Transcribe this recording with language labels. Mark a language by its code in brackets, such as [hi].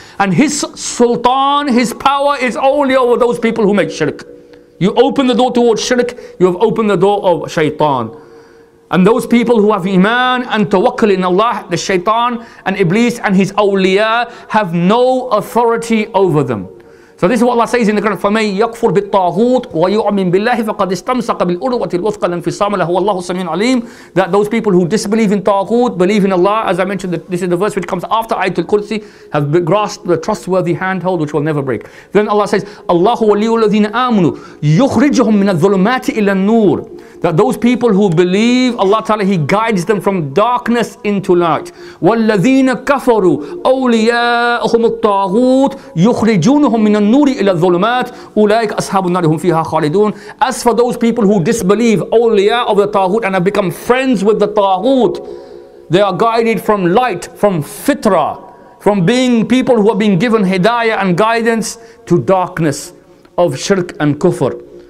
[en] And his sultan, his power is only over those people who make shirk. You open the door towards shirk, you have opened the door of shaitan. And those people who have iman and tawakkul in Allah, the shaitan and Iblis and his awliya, have no authority over them. So this is what Allah says in the Quran, [ar] فَمَنْ يَكْفُرْ بِالطَّاغُوتِ وَيُؤْمِنْ بِاللَّهِ فَقَدِ اسْتَمْسَقَ بِالْأُرْوَةِ الْوُثْقَى لَانْفِصَامَ لَهُ وَاللَّهُ سَمِيعٌ عَلِيمٌ. [en] That those people who disbelieve in Tawhut, believe in Allah, as I mentioned, this is the verse which comes after Ayatul Kursi, have grasped the trustworthy handhold which will never break. Then Allah says, [ar] اللَّهُ وَلِيُّ الَّذِينَ آمُنُوا يُخْرِجُهُمْ مِنَ الظُّلُمَاتِ إِلَى النُّورِ. [en] That those people who believe, Allah Ta'ala, He guides them from darkness into light. [ar] وَالَّذِينَ كَفَرُوا أَوْلِيَاءُهُمُ الطَّاغُوتِ يُخْرِجُونَهُمْ مِنَ النُّورِ إِلَى الظُّلُمَاتِ أُولَٰئِكَ أَصْحَابُ النَّارِ هُمْ فِيهَا خَالِدُونَ. [en] As for those people who disbelieve, awliya of the Tawhut, and have become friends with the Tawhut, they are guided from light, from fitra, from being people who have been given hidayah and guidance, to darkness of shirk and kufr.